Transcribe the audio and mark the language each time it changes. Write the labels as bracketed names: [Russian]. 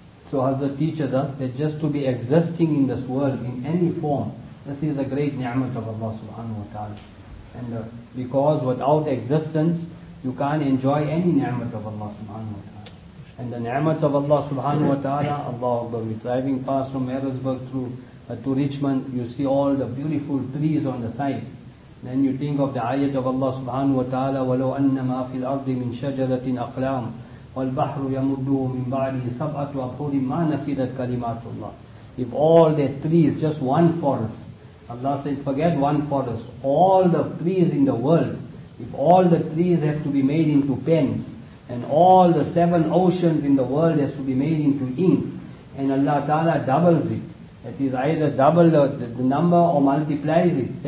[English] So Hazrat teaches us that just to be existing in this world in any form, this is a great ni'mat of Allah subhanahu wa ta'ala. And because without existence, you can't enjoy any ni'mat of Allah subhanahu wa ta'ala. And the ni'mat of Allah subhanahu wa ta'ala, Allah Akbar, we're driving past from Harrisburg through to Richmond, you see all the beautiful trees on the side. Then you think of the ayat of Allah subhanahu wa ta'ala, [Arabic] وَلَوْ أَنَّ مَا فِي الْأَرْضِ مِنْ شَجَرَةٍ أَقْلَامٍ وَالْبَحْرُ يَمُدُّهُ مِنْ بَعْدِهِ سَبْعَةُ أَبْحُرٍ مَا نَفِدَتْ كَلِمَاتُ اللَّهِ. [English] If all the trees, just one forest, Allah said, forget one forest, all the trees in the world, if all the trees have to be made into pens, and all the seven oceans in the world has to be made into ink, and Allah ta'ala doubles it, it is either double the number or multiplies it.